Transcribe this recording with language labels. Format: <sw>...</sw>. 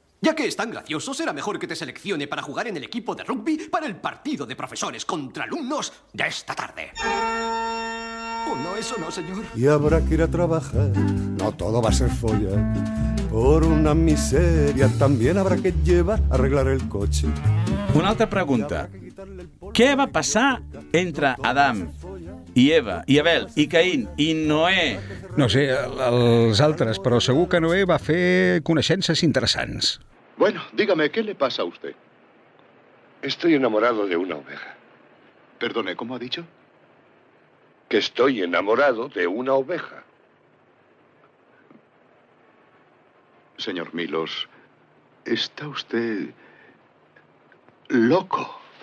<es>Ya que es tan gracioso, será mejor que te seleccione para jugar en el equipo de rugby para el partido de profesores contra alumnos de esta tarde. Oh, no, eso no, señor. Y habrá que ir a trabajar, no todo va a ser follar. Por una miseria también habrá que llevar a arreglar el coche.</es> <ca>Una altra pregunta. Què va passar entre Adam i Eva, i Abel, i Caín, i Noé? No sé, els altres, però segur que Noé va fer coneixences interessants.</ca> <es>Bueno, dígame, ¿qué le pasa a usted? Estoy enamorado de una oveja. Perdone, ¿cómo ha dicho? Que estoy enamorado de una oveja. Señor Milos, está usted... loco.</es>